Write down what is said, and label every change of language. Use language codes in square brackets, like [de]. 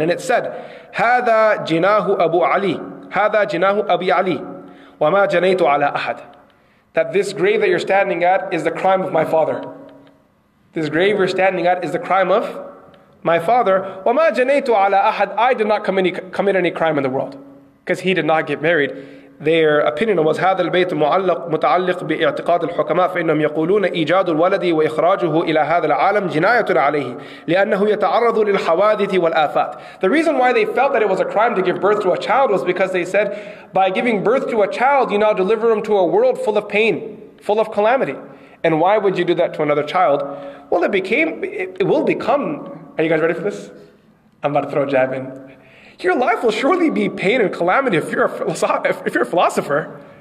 [en] And it said, [ar] هَذَا جِنَاهُ أَبُو عَلِي هَذَا جِنَاهُ أَبِي عَلِي وَمَا جَنَيْتُ عَلَىٰ أَحَدٍ. [en] That this grave that you're standing at is the crime of my father. This grave you're standing at is the crime of my father. [ar] وَمَا جَنَيْتُ عَلَىٰ أَحَدٍ. [en] I did not commit any crime in the world. Because he did not get married. Their opinion was [ar] هذا البيت معلق متعلق باعتقاد الحكماء فإنهم يقولون إيجاد الولد وإخراجه إلى هذا العالم جناية عليه لأنه يتعرض للحوادث والآفات. [en] The reason why they felt that it was a crime to give birth to a child was because they said, by giving birth to a child, you now deliver him to a world full of pain, full of calamity. And why would you do that to another child? Well, it will become. Are you guys ready for this? I'm about to throw a jab in. Your life will surely be pain and calamity if you're a philosopher.